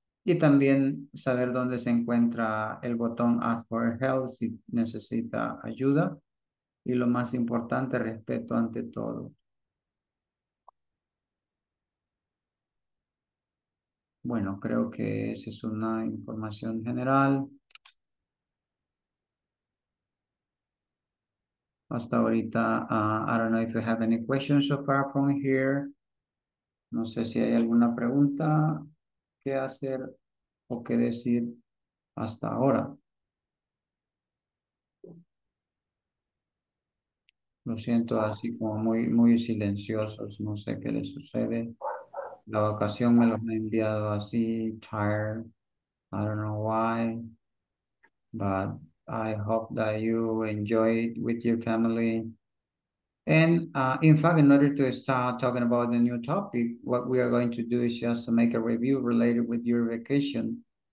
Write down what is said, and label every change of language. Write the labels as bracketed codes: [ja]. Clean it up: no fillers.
[es] Y también saber dónde se encuentra el botón Ask for Help si necesita ayuda. Y lo más importante, respeto ante todo. Bueno, creo que esa es una información general. Hasta ahorita, [en] I don't know if you have any questions so far from here. [es] No sé si hay alguna pregunta que hacer o que decir hasta ahora. Lo siento así como muy, muy silenciosos, no sé qué les sucede. La vacación me los ha enviado así, [en] tired. I don't know why, but I hope that you enjoy it with your family. And in fact, in order to start talking about the new topic, what we are going to do is just to make a review related with your vacation.